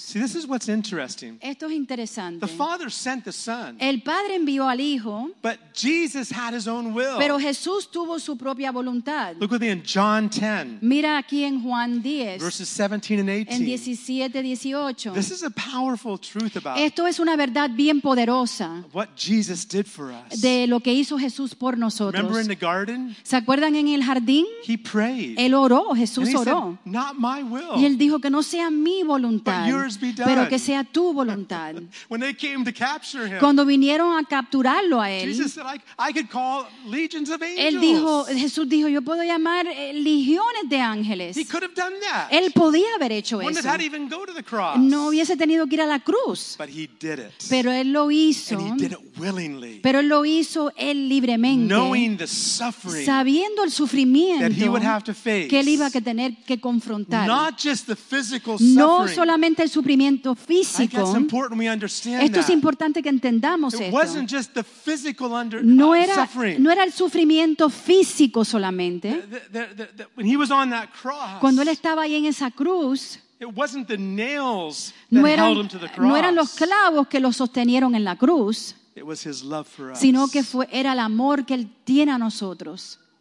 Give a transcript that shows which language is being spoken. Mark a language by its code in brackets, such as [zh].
[en] See, this is what's interesting. [es] Esto es interesante. [en] The Father sent the Son. [es] El Padre envió al Hijo. [en] But Jesus had his own will. [es] Pero Jesús tuvo su propia voluntad. [en] Look with me in John 10. [es] Mira aquí en Juan 10. [en] Verses 17 and 18. [es] En 17, 18. [en] This is a powerful truth about. [es] Esto es una verdad bien poderosa. [en] What Jesus did for us. [es] De lo que hizo Jesús por nosotros. [en] Remember in the garden? [es] ¿Se acuerdan en el jardín? [en] He prayed. [es] Él oró, Jesús oró. [en] Not my will. [es] Y él dijo que no sea mi voluntad, [en] but yours be done. [es] Pero que sea tu voluntad. [en] When they came to capture him, [es] cuando vinieron a capturarlo a él, [en] Jesus said, I could call legions of angels. [es] Él dijo, Jesús dijo, yo puedo llamar legiones de ángeles. [en] He could have done that. [es] Él podía haber hecho [en] wouldn't [es] eso. [en] Have had to even go to the cross. [es] No hubiese tenido que ir a la cruz. [en] But he did it. [es] Pero él lo hizo. [en] And he did it willingly. [es] Pero él lo hizo él libremente. [en] Knowing the suffering, [es] sabiendo el sufrimiento [en] that he would have to face. [es] Que él iba a tener que [en] not just the physical suffering. [es] No solamente el sufrimiento físico. [en] It's important we understand. [es] Esto es importante que entendamos esto. [en] It wasn't just the physical under [es] no era, [en] suffering. [es] No era el sufrimiento físico solamente. [en] When he was on that cross. [es] Cuando él estaba ahí en esa cruz. [en] It wasn't the nails that held him to the cross. [es] No eran los clavos que lo sostenieron en la cruz. [en] It was his love for us. [es] Sino que fue era el amor que él tiene a nosotros.